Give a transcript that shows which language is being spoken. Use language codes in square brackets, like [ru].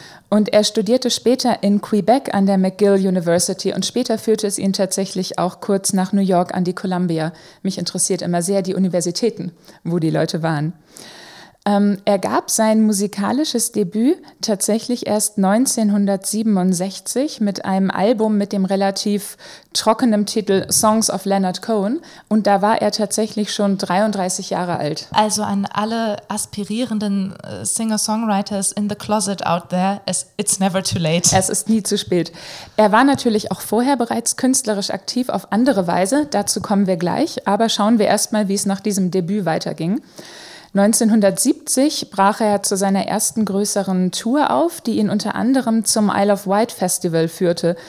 [de] Und er studierte später in Quebec an der McGill University und später führte es ihn tatsächlich auch kurz nach New York an die Columbia. Mich interessiert immer sehr die Universitäten, wo die Leute waren. Er gab sein musikalisches Debüt tatsächlich erst 1967 mit einem Album mit dem relativ trockenen Titel Songs of Leonard Cohen. Und da war er tatsächlich schon 33 Jahre alt. Also an alle aspirierenden [en] Singer-Songwriters in the closet out there, it's never too late. [de] Es ist nie zu spät. Er war natürlich auch vorher bereits künstlerisch aktiv auf andere Weise. Dazu kommen wir gleich. Aber schauen wir erstmal, wie es nach diesem Debüt weiterging. 1970 brach er zu seiner ersten größeren Tour auf, die ihn unter anderem zum Isle of Wight Festival führte.